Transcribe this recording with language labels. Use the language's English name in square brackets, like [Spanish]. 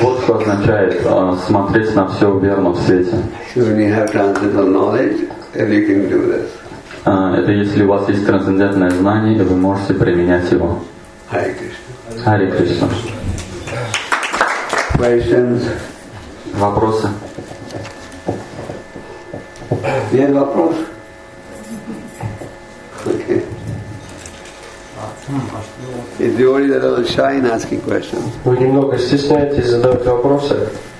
[Russian] Вот что означает смотреть на все в верном свете. [English] So when you have transcendental knowledge, then you can do this. [Russian] Это если у вас есть трансцендентное знание, и вы можете применять его. [Sanskrit] Hare Krishna. Hare Krishna. [English] Questions? [Russian] Вопросы? Есть вопрос? [English] Is you only a little shy in asking questions? [Russian] Вы немного стесняетесь задавать вопросы.